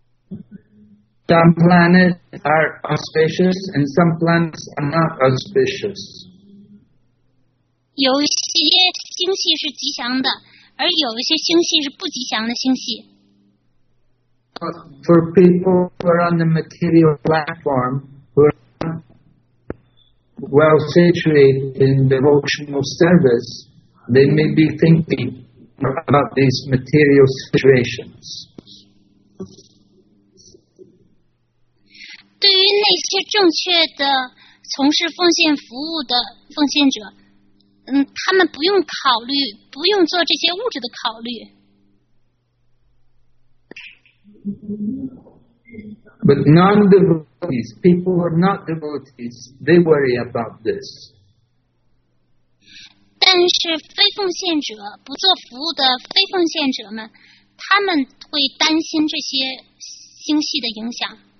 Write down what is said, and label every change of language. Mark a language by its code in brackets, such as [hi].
[en] Some planets are auspicious and some planets are not auspicious. [zh] 有些星系是吉祥的，而有一些星系是不吉祥的星系。 [en] For people who are on the material platform, who are well situated in devotional service, they may be thinking about these material situations. [zh] 对于那些正确的从事奉献服务的奉献者，他们不用考虑，不用做这些物质的考虑。 [en] But non-devotees, people who are not devotees, they worry about this. [zh] 但是非奉献者，不做服务的非奉献者们，他们会担心这些星系的影响。